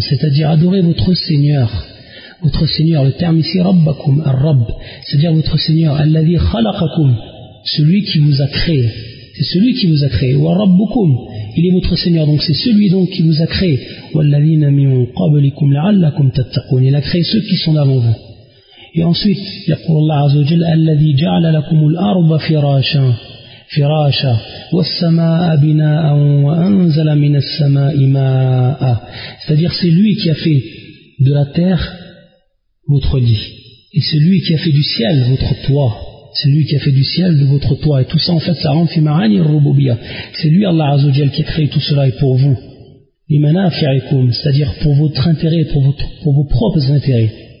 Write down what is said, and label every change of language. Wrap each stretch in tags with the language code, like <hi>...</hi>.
<fr>C'est-à-dire adorez votre Seigneur. Votre Seigneur, le terme ici rabbakum, al-rabb. C'est-à-dire votre Seigneur, alladhi khalaqakum. Celui qui vous a créé. C'est celui qui vous a créé. Wa rabbukum. Il est votre Seigneur, donc c'est celui donc qui vous a créé.</fr> <ar>وَالَّذِينَ مِنْ قَبْلِكُمْ لَعَلَّكُمْ تَتَّقُونَ.</ar> <fr>Il a créé ceux qui sont avant vous. Et ensuite,</fr> <ar>يَقُولُ اللَّهُ عَزَّ وَجَلَّ الَّذِي جَعَلَ لَكُمُ الْأَرْضَ فِرَاشًا فِرَاشًا وَالسَّمَاءَ بِنَاءً وَأَنْزَلَ مِنَ السَّمَاءِ مَاءً.</ar> <fr>C'est-à-dire, c'est lui qui a fait de la terre votre lit. Et c'est lui qui a fait du ciel votre toit. C'est lui qui a fait du ciel de votre toit. Et tout ça, en fait, ça rend fima'ani rububiyya. C'est lui, Allah Azza wa Jalla, qui a créé tout cela et pour vous. Limanafi'ikum, c'est-à-dire pour votre intérêt, pour vos propres intérêts.</fr>